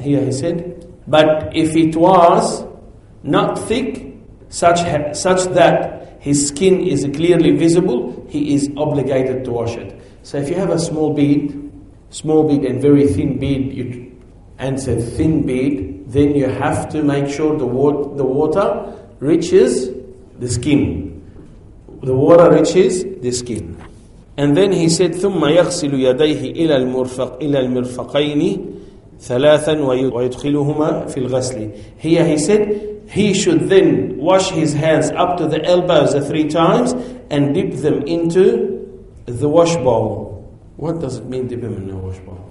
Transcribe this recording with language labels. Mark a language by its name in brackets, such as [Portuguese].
[English] Here he said, but if it was not thick, such that his skin is clearly visible, he is obligated to wash it. So if you have a small bead and very thin bead, and it's a thin bead, then you have to make sure the water reaches the skin. The water reaches the skin. And then he said, [Arabic] ثُمَّ يَغْسِلُ يَدَيْهِ إِلَى الْمِرْفَقَيْنِ ثَلَاثًا وَيُدْخِلُهُمَا فِي الْغَسْلِ. [English] Here he said, he should then wash his hands up to the elbows 3 times and dip them into the wash bowl. What does it mean, dip them in the wash bowl?